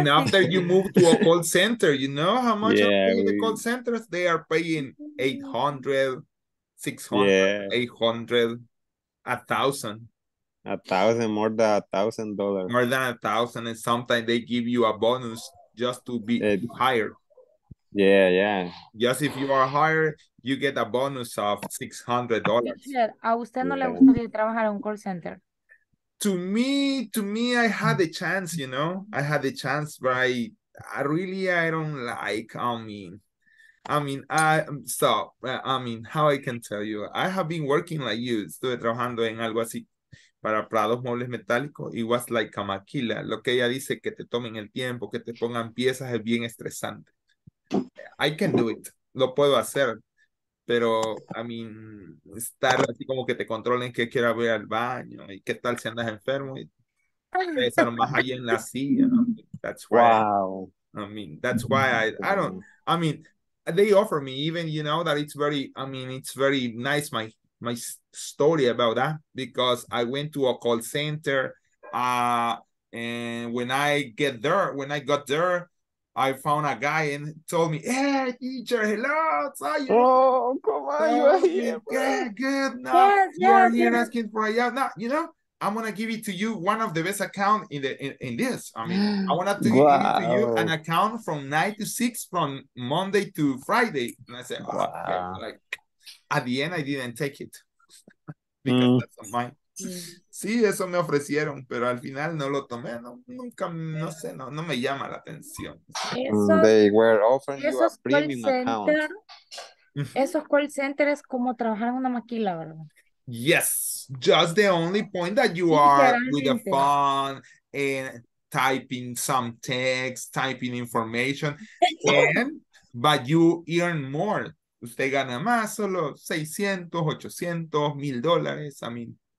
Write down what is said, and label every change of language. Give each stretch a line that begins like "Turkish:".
English: and after you move to a call center, you know how much the call centers, they are paying 800, 600, 800, 1,000. 1,000, more than $1,000. More than 1,000. And sometimes they give you a bonus just to be hired. Yeah, yeah. Just if you are hired, you get a bonus of $600.
Spanish: Teacher, a usted no le gusta que trabajar en un call center.
English: To me, I had a chance, you know. I had a chance, but I don't like. How I can tell you? I have been working like you.
Spanish: Estuve trabajando en algo así para Prados Muebles Metálicos.
English: It was like a maquila.
Spanish: Lo que ella dice que te tomen el tiempo, que te pongan piezas, es bien estresante.
English: I can do it.
Spanish: Lo puedo hacer. Pero, estar así como que te controlen que quiera ver al baño y qué tal si andas enfermo y te estar más ahí en la silla. ¿No?
English: That's why. Wow. That's why I don't, they offer me, even, you know, that it's very nice, my story about that, because I went to a call center and when I got there, I found a guy and told me, "Hey, teacher, hello, how are you? Oh, come on, you are here. Good. Now you're here asking for a job. Now, you know, I'm gonna give it to you one of the best account in this. I wanna give you an account from 9 to 6, from Monday to Friday." And I said, "Oh, wow." Okay. Like, at the end, I didn't take it because that's mine.
Spanish: Sí, eso me ofrecieron, pero al final no lo tomé. No me llama la atención.
English: They were offering you a premium account.
Spanish: Esos call centers como trabajar en una maquila, ¿verdad?
English: Yes, just the only point that you are with a phone and typing some text, typing information, but you earn more.
Spanish: Usted gana más, solo 600, 800, $1,000.